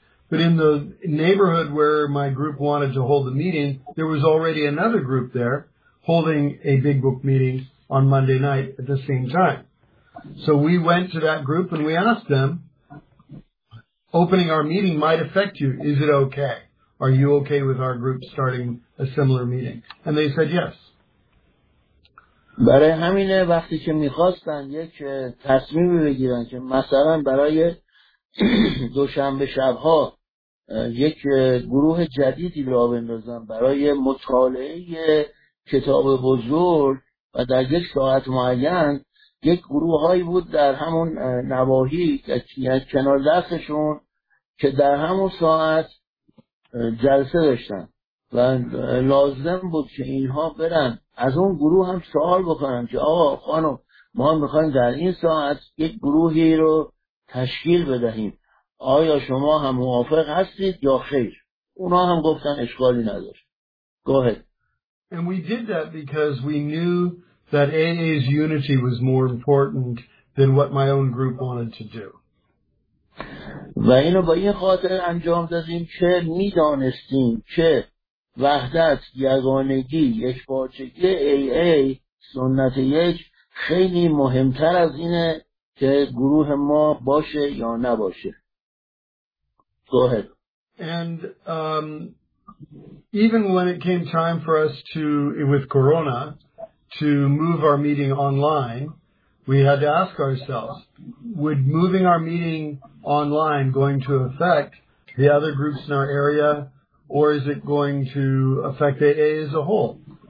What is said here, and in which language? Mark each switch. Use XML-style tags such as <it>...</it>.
<en>But in the neighborhood where my group wanted to hold the meeting, there was already another group there holding a big book meeting on Monday night at the same time. So we went to that group and we asked them, opening our meeting might affect you. Is it okay? Are you okay with our group starting a similar meeting? And they said yes.</en> <fa>برای همینه وقتی که میخواستن یک تصمیم بگیرن که مثلا برای دوشنبه شبها یک گروه جدیدی را بندازن برای مطالعه کتاب بزرگ و در یک ساعت معین، یک گروه هایی بود در همون نواحی کنار دستشون که در همون ساعت جلسه داشتن و لازم بود که اینها برن از اون گروه هم سوال بکنن که آقا خانم ما میخواییم در این ساعت یک گروهی رو تشکیل بدهیم، آیا شما هم موافق هستید یا خیر؟ اونا هم گفتن اشکالی نداره.</fa> <en>Go ahead. And we did that because we knew that AA's unity was more important than what my own group wanted to do.</en> <fa>و اینو با این خاطر انجام دادیم که میدانستیم که وحدت، یگانگی، یک پارچگی AA سنت یک خیلی مهمتر از اینه که گروه ما باشه یا نباشه.</fa> <en>Go ahead. And even when it came time for us to, with Corona, to move our meeting online, we had to ask ourselves, would moving our meeting online going to affect the other groups in our area, or is it going to affect AA as a whole?</en>